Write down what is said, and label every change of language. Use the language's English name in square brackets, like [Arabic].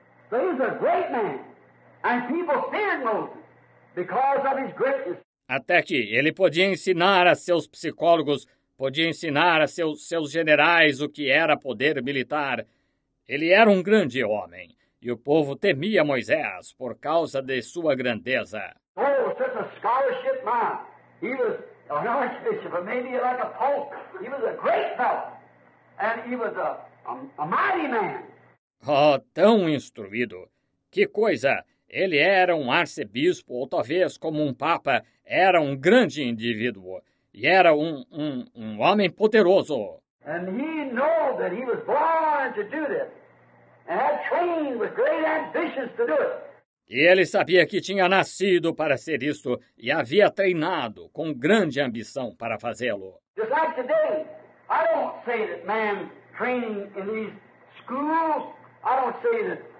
[Portuguese] Então ele era um grande homem, e as pessoas [English] feared [Portuguese] Moses por causa de sua grandeza. Até que ele podia ensinar a seus psicólogos, podia ensinar a seus generais o que era poder militar. Ele era um grande homem, e o povo temia Moisés por causa de sua grandeza. [English] Oh, such a scholarship man. He was an archbishop, maybe like a pope. He was a great fellow, and he was a mighty man. [Portuguese] Oh, tão instruído. Que coisa! Ele era um arcebispo, ou talvez como um papa, era um grande indivíduo. E era um homem poderoso. [English] And he knew that he was born to do this. And had trained with great ambitions to do it. [Portuguese] E ele sabia que tinha nascido para ser isto e havia treinado com grande ambição para fazê-lo. [English] Just like today, I don't say that man training in these schools, I don't say that.